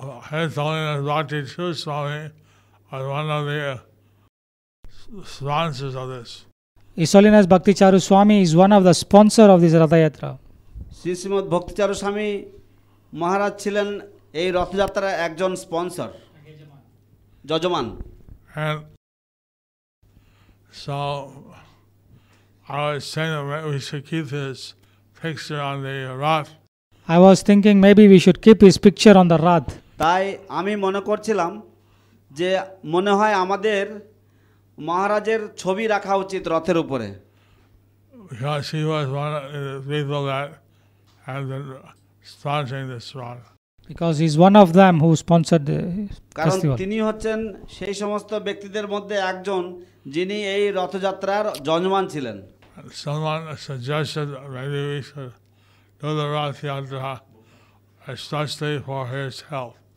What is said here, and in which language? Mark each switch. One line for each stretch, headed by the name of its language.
English: His Holiness Bhakti Charu Swami is one of the sponsors of this. His Holiness Bhakti Charu Swami is one of the sponsor of this Radha Yatra.
Bangla: Shri Srimat ভক্তি চারু স্বামী মহারাজ ছিলেন এই রথযাত্রার একজন sponsor যজমান.
English: And so I was saying that we should keep this picture on the Rath. I was thinking maybe we should keep his picture on the Rath.
Bangla: তাই আমি মনে করছিলাম যে মনে হয় আমাদের মহারাজের ছবি রাখা উচিত রথের উপরে.
English: Because he was one of the people that has been sponsoring this Rath. Because he's one of them who sponsored the festival.
Bangla: তিনি হচ্ছেন সেই সমস্ত ব্যক্তিদের মধ্যে একজন যিনি এই রথযাত্রার যজমান ছিলেন.
English: Someone suggested maybe we should do the Rath Yatra especially for his health.